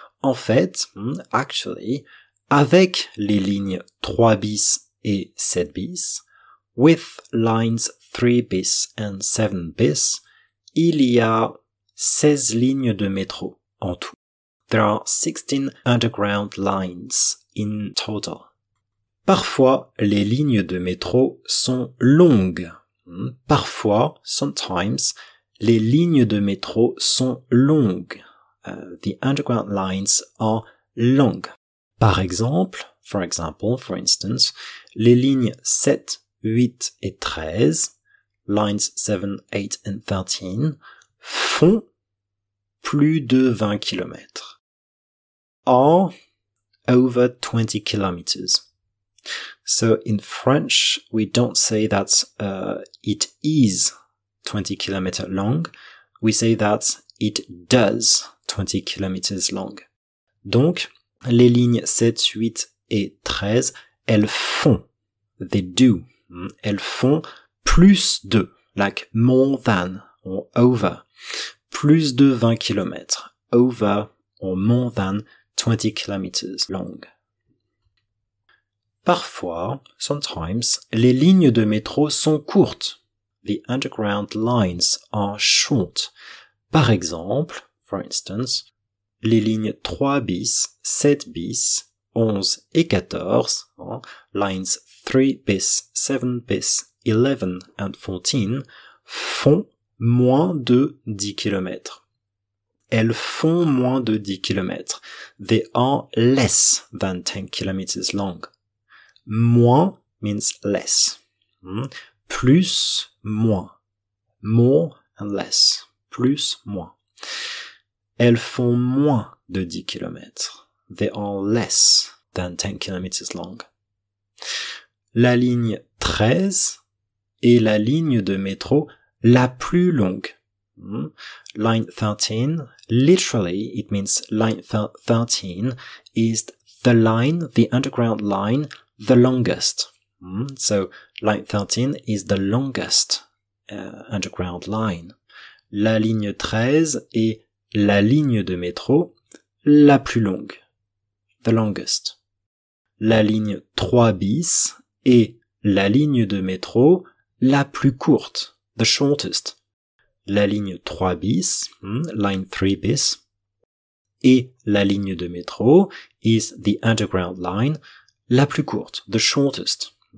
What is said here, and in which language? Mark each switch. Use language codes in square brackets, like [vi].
[fr] En fait, [en] actually, [fr] avec les lignes 3 bis et 7 bis, [en] with lines 3 bis and 7 bis, [fr] il y a 16 lignes de métro en tout. [en] There are 16 underground lines in total. [fr] Parfois, les lignes de métro sont longues. Parfois, [en] sometimes, [fr] les lignes de métro sont longues. [en] The underground lines are long. [fr] Par exemple, [en] for example, for instance, [fr] les lignes 7, 8 et 13, [en] lines 7, 8 and 13, [fr] font plus de 20 kilomètres. [en] Are over 20 kilometers. So in French, we don't say that it is 20 kilometers long. We say that it does 20 kilometers long. [fr] Donc, les lignes 7, 8 et 13, elles font, [en] they do, [fr] elles font plus de, [en] like more than or over, [fr] plus de 20 kilomètres, [en] over or more than 20 kilometers long. [fr] Parfois, [en] sometimes, [fr] les lignes de métro sont courtes. [en] The underground lines are short. [fr] Par exemple, [en] for instance, [fr] les lignes 3 bis, 7 bis, 11 et 14, [en] lines 3 bis, 7 bis, 11 and 14, [fr] font moins de 10 kilomètres. Elles font moins de 10 kilomètres. [en] They are less than 10 kilometers long. Moins means less. Plus, moins. More and less. Plus, moins. [fr] Elles font moins de 10 kilomètres. [en] They are less than 10 kilometers long. [fr] La ligne 13 est la ligne de métro la plus longue. [en] Line 13, literally, it means line 13 is the line, the underground line, the longest. So, line 13 is the longest underground line. [fr] La ligne 13 est la ligne de métro la plus longue. [en] The longest. [fr] La ligne 3 bis est la ligne de métro la plus courte. [en] The shortest. [fr] La ligne 3 bis, [en] line 3 bis, [fr] et la ligne de métro [en] is the underground line [fr] la plus courte, [en] the shortest.